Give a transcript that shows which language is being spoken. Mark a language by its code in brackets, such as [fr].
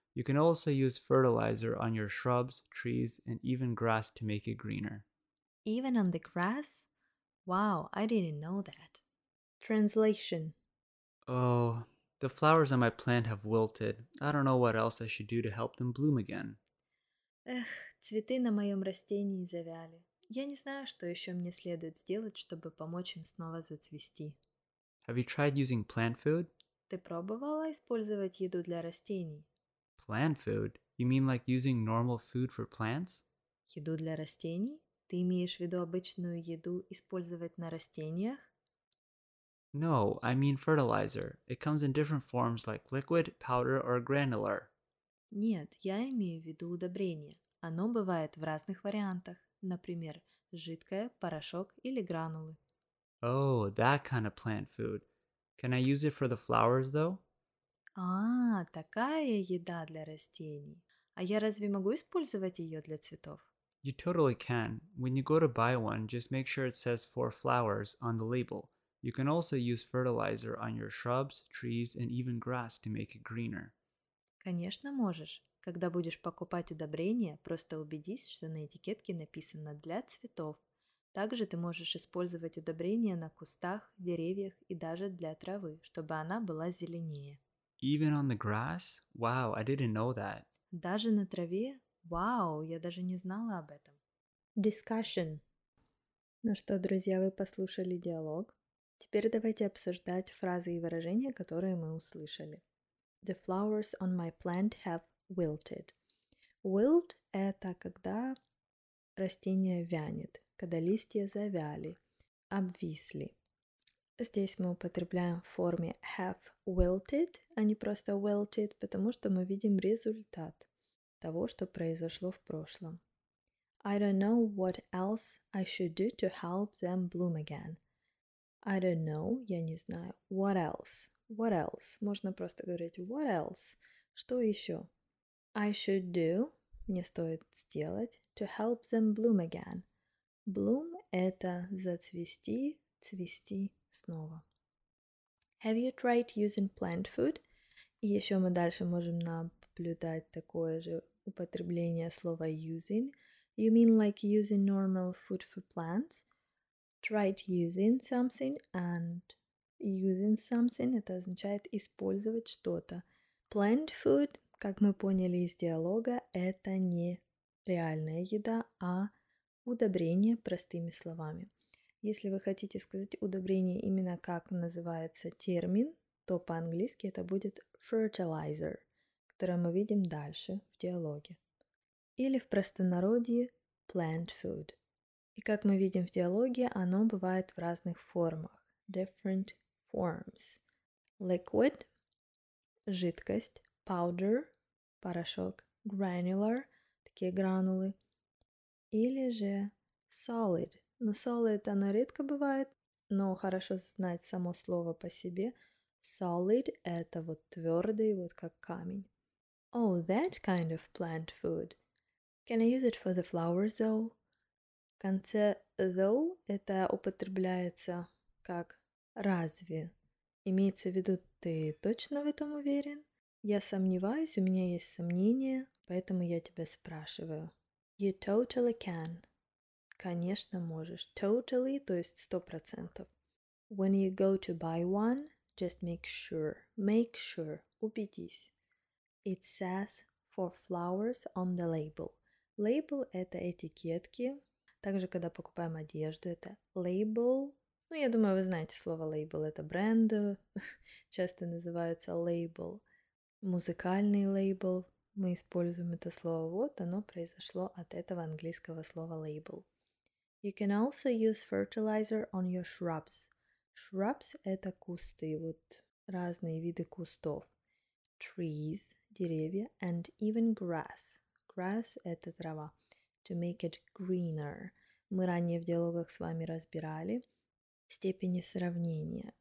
[en] You can also use fertilizer on your shrubs, trees, and even grass to make it greener. Even on the grass? Wow, I didn't know that. Translation. Oh, the flowers on my plant have wilted. I don't know what else I should do to help them bloom again. [ru] Эх, цветы на моем растении завяли. Я не знаю, что еще мне следует сделать, чтобы помочь им снова зацвести. [en] Have you tried using plant food? [ru] Ты пробовала использовать еду для растений? [en] Plant food? You mean like using normal food for plants? [ru] Еду для растений? Ты имеешь в виду обычную еду использовать на растениях? [en] No, I mean fertilizer. It comes in different forms like liquid, powder, or granular. [ru] Нет, я имею в виду удобрение. Оно бывает в разных вариантах. Например, жидкое, порошок или гранулы. [en] Oh, that kind of plant food. Can I use it for the flowers, though? [ru] А, такая еда для растений. А я разве могу использовать ее для цветов? [en] You totally can. When you go to buy one, just make sure it says for flowers on the label. You can also use fertilizer on your shrubs, trees, and even grass to make it greener. [ru] Конечно, можешь. Когда будешь покупать удобрения, просто убедись, что на этикетке написано «для цветов». Также ты можешь использовать удобрения на кустах, деревьях и даже для травы, чтобы она была зеленее. [en] Even on the grass? Wow, I didn't know that. [ru] Даже на траве? Вау, я даже не знала об этом. [en] Discussion. [ru] Ну что, друзья, вы послушали диалог. Теперь давайте обсуждать фразы и выражения, которые мы услышали. [en] The flowers on my plant have wilted. [ru] Wilt – это когда растение вянет, когда листья завяли, обвисли. Здесь мы употребляем в форме have wilted, а не просто wilted, потому что мы видим результат того, что произошло в прошлом. [en] I don't know what else I should do to help them bloom again. I don't know, [ru] я не знаю. [en] What else? What else? [ru] Можно просто говорить [en] what else? [ru] Что еще? [en] I should do, [ru] мне стоит сделать, [en] to help them bloom again. [ru] Bloom – это зацвести, цвести снова. [en] Have you tried using plant food? [ru] И еще мы дальше можем наблюдать такое же употребление слова using. [en] You mean like using normal food for plants? Tried using something and using something – [ru] это означает использовать что-то. Plant food, как мы поняли из диалога, это не реальная еда, а удобрение простыми словами. Если вы хотите сказать удобрение именно как называется термин, то по-английски это будет fertilizer, которое мы видим дальше в диалоге. Или в простонародье plant food. И как мы видим в диалоге, оно бывает в разных формах. [en] Different forms. Liquid – жидкость. [ru] Powder – порошок. Granular – такие гранулы. Или же solid. Но solid оно редко бывает. Ну, хорошо знать само слово по себе. Solid – это вот твердый, вот как камень. [en] Oh, that kind of plant food. Can I use it for the flowers, though? [ru] В конце though это употребляется как разве. Имеется в виду, ты точно в этом уверен? Я сомневаюсь, у меня есть сомнения, поэтому я тебя спрашиваю. [en] You totally can. [ru] Конечно, можешь. Totally, то есть 100%. [en] When you go to buy one, just make sure. Make sure. Убедись. It says for flowers on the label. [ru] Label – это этикетки. Также, когда покупаем одежду, это label. Ну, я думаю, вы знаете слово label. Это бренд. Часто называется label. Музыкальный лейбл. Мы используем это слово. Вот оно произошло от этого английского слова label. [en] You can also use fertilizer on your shrubs. [ru] Shrubs – это кусты, вот разные виды кустов. [en] Trees – деревья, and even grass. [ru] Grass – это трава. [en] To make it greener. [ru] Мы ранее в диалогах с вами разбирали степени сравнения.